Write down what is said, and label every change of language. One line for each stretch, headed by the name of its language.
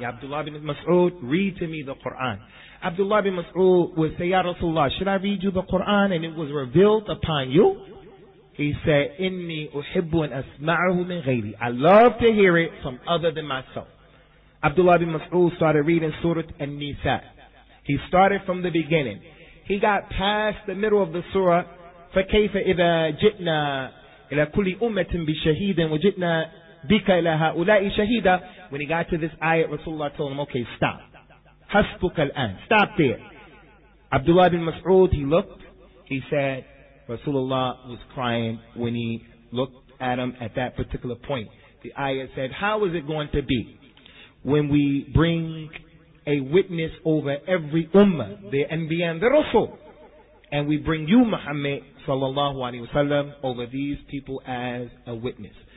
English: Ya Abdullah ibn Mas'ud, read to me the Qur'an. Abdullah ibn Mas'ud would say, Ya Rasulullah, should I read you the Qur'an and it was revealed upon you?
Arabic: He said, Inni uhibbu an asma'ahu min ghayri.
English: I love to hear it from other than myself. Abdullah ibn Mas'ud started reading Surah An-Nisa. He started from the beginning. He got past the middle of the surah,
Arabic: فَكَيْفَ إِذَا جِئْنَا إِلَى كُلِّ أُمَّةٍ بِشَهِيدٍ وَجِئْنَا بِكَ إِلَى هَؤُلَاءِ شَهِيدًا.
English: When he got to this ayat, Rasulullah told him, okay, stop.
Arabic: حَسْبُكَ الْآنِ.
English: Stop there. Abdullah bin Mas'ud, he looked, he said, Rasulullah was crying when he looked at him at that particular point. The ayat said, how is it going to be when we bring a witness over every ummah, the Anbiya and the Rasul, and we bring you, Muhammad, sallallahu alayhi wa sallam, over these people as a witness.